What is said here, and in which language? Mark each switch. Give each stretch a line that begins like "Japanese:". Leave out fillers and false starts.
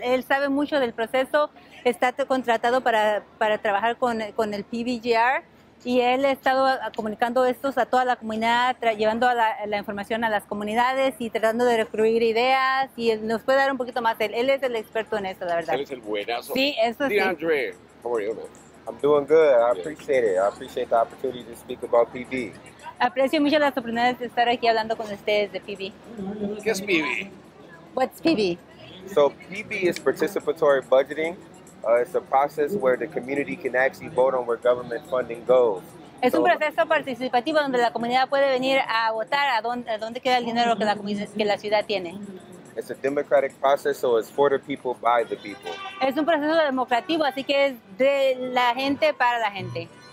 Spanish: Él sabe mucho del proceso, está contratado para trabajar con el PBGR. Y él ha estado comunicando estos a toda la comunidad, llevando la información a las comunidades y tratando de recurrir ideas. Y él nos puede dar un poquito más. Él es el experto en esto, la verdad. Él es el buenazo. Sí, eso sí. DeAndre, ¿cómo estás,
English: man? I'm doing good. I appreciate it. I appreciate the opportunity to speak about PB.
Spanish: Aprecio mucho las oportunidades de estar aquí hablando con ustedes de PB. ¿Qué es PB?
English: What's PB? So PB is Participatory Budgeting. It's a process where the community can actually vote on where government funding goes.
Spanish: Es un proceso participativo donde la comunidad puede venir a votar a dónde queda el dinero que la ciudad tiene.
English: It's a democratic process, so it's for the people by the people.
Spanish: Es un proceso democrático, así que es de la gente para la gente.